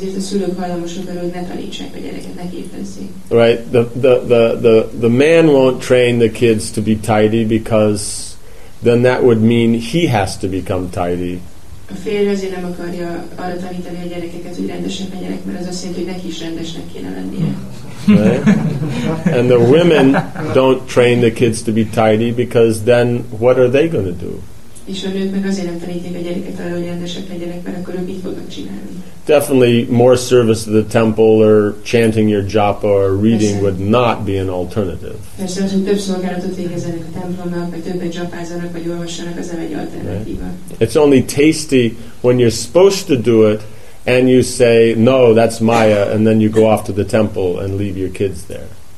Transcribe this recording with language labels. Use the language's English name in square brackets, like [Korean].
[English] The man won't train the kids to be tidy because then that would mean he has to become tidy. Right? And the women don't train the kids to be tidy because then what are they going to do? [Hungarian] És a nők meg azért nem tanítják a gyereket arra, hogy rendesek legyenek, mert akkor ők így fognak csinálni. [English] Definitely more service to the temple or chanting your japa or reading would not be an alternative. [Hungarian] Persze, hogy több szolgálatot végezzenek a templomnak, vagy többet japázzanak, vagy olvassanak, az nem egy alternatíva. [English] Right? It's only tasty when you're supposed to do it, and you say, no, that's Maya, and then you go off to the temple and leave your kids there.